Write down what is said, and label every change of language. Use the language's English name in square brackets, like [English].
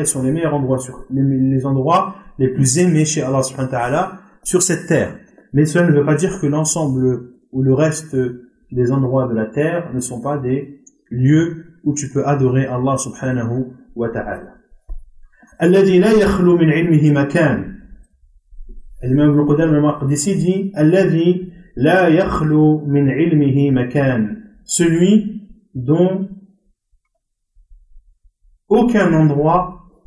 [French] Ils sont les meilleurs endroits, les endroits les plus aimés chez Allah subhanahu wa ta'ala sur cette terre. Mais cela ne veut pas dire que l'ensemble ou le reste des endroits de la terre ne sont pas des lieux où tu peux adorer Allah subhanahu wa ta'ala. [Arabic] الذي لا يخلو من علمه مكان. الإمام ابن قدامة المقدسي [French] dit [Arabic] الذي لا يخلو من علمه مكان. [French] Celui dont aucun endroit